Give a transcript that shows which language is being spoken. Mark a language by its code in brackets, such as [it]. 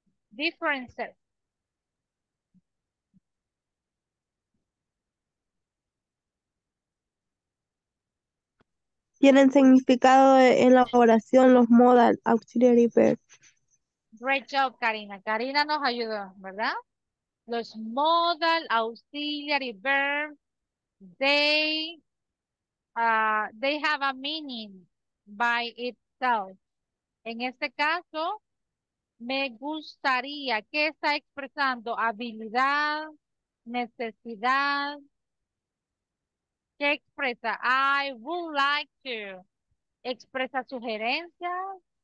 [en] Differences. [es] Tienen significado en la oración los modal auxiliary verbs. [en] Great job, Karina. [es] Karina nos ayudó, ¿verdad? [en] Los modal auxiliary verbs, they have a meaning by itself. [es] En este caso, me gustaría, ¿qué está expresando? Habilidad, necesidad. ¿Qué expresa? [en] I would like to. [es] ¿Expresa sugerencias?